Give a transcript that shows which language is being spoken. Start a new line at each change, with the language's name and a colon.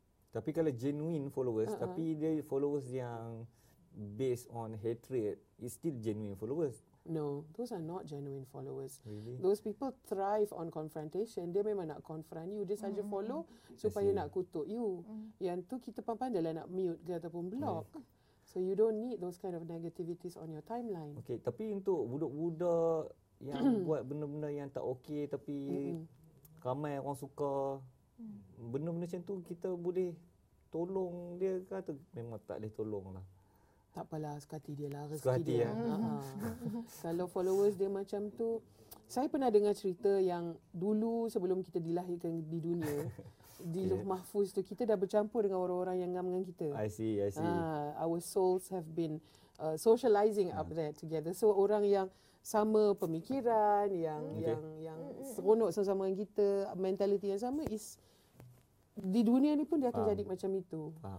Malay: Tapi kalau
English: genuine followers,
Malay: tapi dia
English: followers
Malay: yang
English: based on hatred, it's still genuine followers. No, those are not genuine followers. Really? Those people thrive on confrontation.
Malay: Dia memang nak confront you. Dia saja follow supaya nak kutuk you. Yang tu kita pandai lah nak mute ke ataupun block.
English: So you don't need those kind of negativities on your timeline.
Malay: Okay, tapi untuk budak-budak yang buat benda-benda yang tak okay tapi ramai orang suka, benda-benda macam tu kita boleh tolong dia ke atau memang tak boleh tolong lah? Tak apalah, sekati dia lah, rezeki dia. Ya. Kalau followers dia macam tu, saya pernah dengar cerita yang dulu sebelum kita dilahirkan di dunia, di Lauh Mahfuz tu, kita dah bercampur dengan orang-orang yang ngam dengan kita.
English: I see. Our souls have been socializing up there together.
Malay: So orang yang sama pemikiran, yang yang seronok sama-sama dengan kita, mentality yang sama, is di dunia ni pun dia akan jadi macam itu.